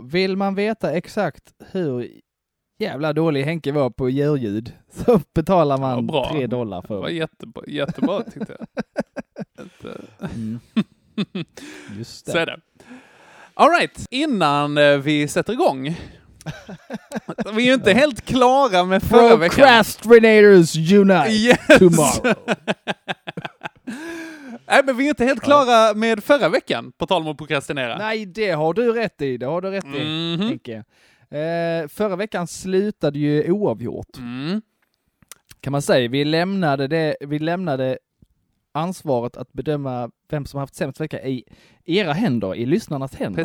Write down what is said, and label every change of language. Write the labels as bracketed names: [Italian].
[Swedish] Vill man veta exakt hur jävla dålig Henke var på djurljud, så betalar man $3 för det. Var jättebra tyckte jag. Just det. Så är det. [English] All right, [Swedish] innan vi sätter igång. Vi är ju inte helt klara med förra veckan. [English] Procrastinators unite tomorrow. [Swedish] Nej, men vi är inte helt klara med förra veckan, på tal om att prokrastinera. Nej, det har du rätt i. Det har du rätt i, Henke. Förra veckan slutade ju oavgjort. Kan man säga. Vi lämnade ansvaret att bedöma vem som har haft sämst vecka i era händer, i lyssnarnas händer.